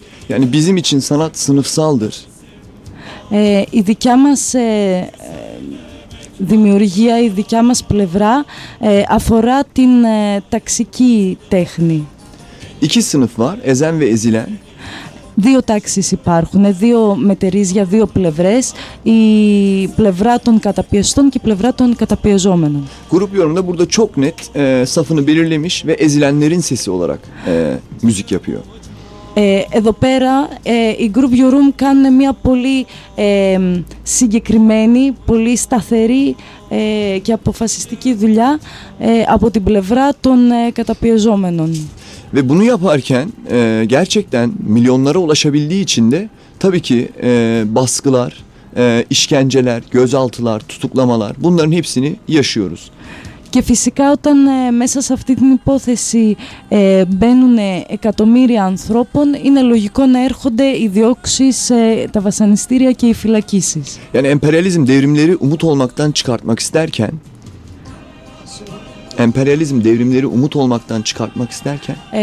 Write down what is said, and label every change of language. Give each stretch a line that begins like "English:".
Turkish: Yani bizim için sanat sınıfsaldır.
Greek: Η δικιά μας δημιουργία, η δικιά μας πλευρά αφορά την ταξική τέχνη.
Turkish: İki sınıf var, ezen ve ezilen.
Greek: Δύο τάξεις υπάρχουν, δύο μετερίζια, δύο πλευρές. Η πλευρά των καταπιεστών και η πλευρά των καταπιεζόμενων.
Turkish: Grup yorumda burada çok net safını belirlemiş ve ezilenlerin sesi olarak müzik yapıyor.
Greek: Εδώ πέρα η Group Your Room κάνουν μια πολύ συγκεκριμένη, πολύ σταθερή και αποφασιστική δουλειά από την πλευρά των καταπιεζόμενων.
Turkish: Ve bunu yaparken gerçekten milyonlara ulaşabildiği için de tabii ki baskılar, işkenceler, gözaltılar, tutuklamalar bunların hepsini yaşıyoruz.
Greek: Και φυσικά όταν μέσα σε αυτή την υπόθεση μπαίνουν εκατομμύρια ανθρώπων, είναι λογικό να έρχονται οι διώξεις, τα βασανιστήρια και οι φυλακίσεις.
Turkish: Yani emperyalizm devrimleri umut olmaktan çıkartmak isterken, emperyalizm devrimleri umut olmaktan çıkartmak isterken,